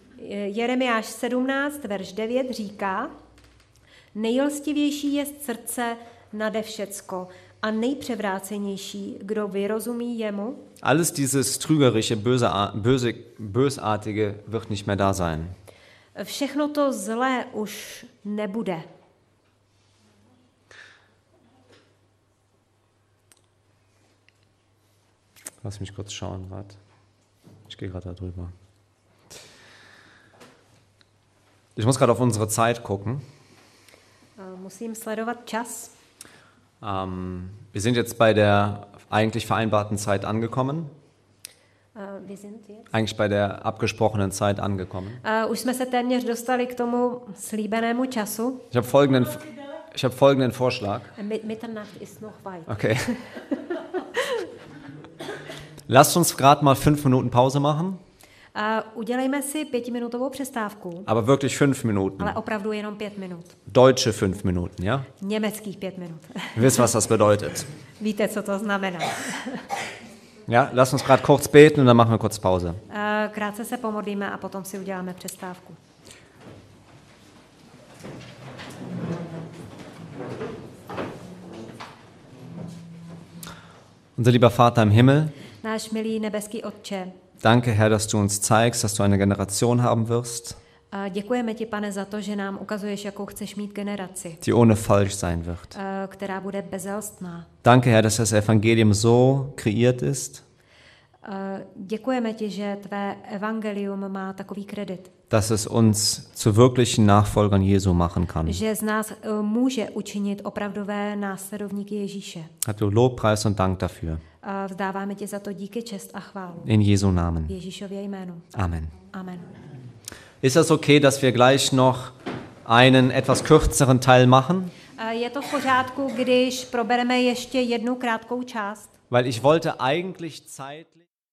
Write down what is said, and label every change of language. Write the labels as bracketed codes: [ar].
[cs] Jeremiáš 17, verš 9 říká, nejlstivější je srdce nade všecko a nejpřevrácenější, kdo vyrozumí jemu. [de] Alles dieses trügerische, bösartige wird nicht mehr da sein. [cs] Všechno to zlé už nebude. [de] Lass mich kurz schauen, wart. Ich gehe gerade darüber. Ich muss gerade auf unsere Zeit gucken. [cs] Musím sledovat čas. [de] Wir sind jetzt bei der eigentlich vereinbarten Zeit angekommen. Wir sind jetzt eigentlich bei der abgesprochenen Zeit angekommen. [cs] Už jsme se téměř dostali k tomu slíbenému času. [de] Ich habe folgenden Vorschlag. Mitternacht ist noch weit. Okay. Lasst uns gerade mal 5 Minuten Pause machen. [cs] Udělejme si 5minutovou přestávku. [de] Aber wirklich 5 Minuten. [cs] Ale opravdu jenom 5 minut. [de] Deutsche 5 Minuten, ja? [cs] Německých 5 minut. [de] Wisst, was das bedeutet. [cs] Víte, co to znamená. [de] Ja, lass uns gerade kurz beten und dann machen wir kurz Pause. [cs] Krátce se pomodlíme a potom si uděláme přestávku. [de] Unser lieber Vater im Himmel. [cs] Náš milý nebeský Otče. [de] Danke, Herr, dass du uns zeigst, dass du eine Generation haben wirst. [cs] Děkujeme ti, Pane, za to, že nám ukazuješ, jakou chceš mít generaci. [de] Die ohne falsch sein wird. [cs] Která bude bezelstná. [de] Danke, Herr, dass das Evangelium so kreiert ist. [cs] Děkujeme ti, že tvé evangelium má takový kredit. [de] Dass es uns zu wirklichen Nachfolgern Jesu machen kann. [cs] Že z nás může učinit opravdové následovníky Ježíše. [de] A tu Lobpreis und Dank dafür. [cs] Vzdáváme ti za to díky, čest a chválu. [de] In Jesu Namen. [cs] V Ježíšově jménu. [de] Amen. [cs] Amen. [de] Ist das okay, dass wir gleich noch einen etwas kürzeren Teil machen? [cs] Je to v pořádku, když probereme ještě jednu krátkou část? [de] Weil ich wollte eigentlich zeitlich